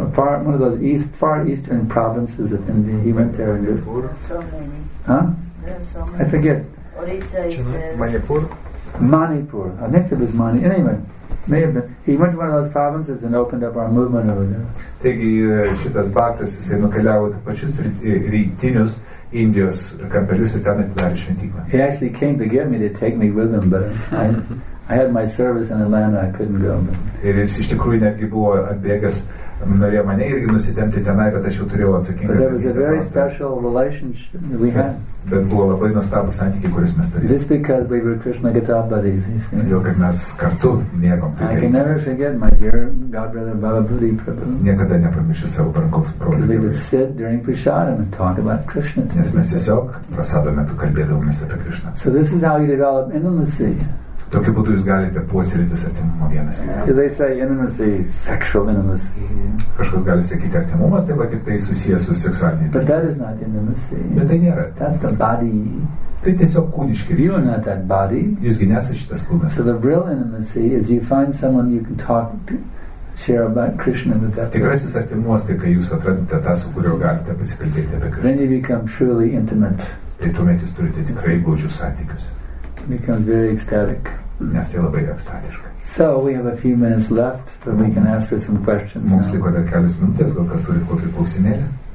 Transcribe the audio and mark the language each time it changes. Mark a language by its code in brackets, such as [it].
[en] Apart one of those east, far eastern provinces of India, he went there and did. So many. Huh? There are so many. I forget. Odisha is Manipur. Manipur. I think it was Manipur. Anyway, May have been. He went to one of those provinces and opened up our movement over there. [lt] Taigi, šitas baktas, jisai nukeliavo į pačius rytinius Indijos kampelius ir ten atidarė šventyklą. [en] He actually came to get me to take me with him, but I had my service in Atlanta, I couldn't go. [lt] Ir jis iš tikrųjų netgi buvo atbėgęs, norėjo mane irgi nusitemti tenai, bet aš jau turėjau atsakingą. [en] But there was a very special relationship that we had. [lt] Bet buvo labai nuostabų santykį, kuris mes turėjome. [en] Just because we were Krishna guitar buddies. [lt] Dėl, kad mes kartu mėgom. [en] I can never forget my dear God brother Bhavabhuti Prabhu. [lt] Niekada nepamiršiu savo brangaus brolio. [en] Because we would sit during prasadam and talk about Krishna. [lt] Nes mes tiesiog prasado metu kalbėdavomės apie Krishna. [en] So this is how you develop intimacy. [lt] Tokiu būdu jūs galite puoselėti artimumą vienas kitam. [en] They say intimacy, sexual intimacy. [lt] Kažkas gali sakyti artimumas, tai va tik tai susijęs su seksualiniais. [en] But that is not intimacy. [lt] Bet tai nėra. [en] That's the body. [lt] Tai tiesiog kūniški. [en] You are not that body. [lt] Jūs gi nesate šitas kūnas. [en] So the real intimacy is you find someone you can talk to, share about Krishna with that. [lt] Tikrasis artimumas, tai kai jūs atradite tą, su kuriuo galite pasikalbėti apie Krishna. [en] Then you become truly intimate. [lt] Tai tuomet jūs turite tikrai glaudžius santykius. [en] Becomes very ecstatic. [lt] Nes tai labai ekstatiška. [en] So we have a few minutes left, but we can ask for some questions. [lt] Mums liko dar kelios minutės, gal kas turi kokį klausimėlį?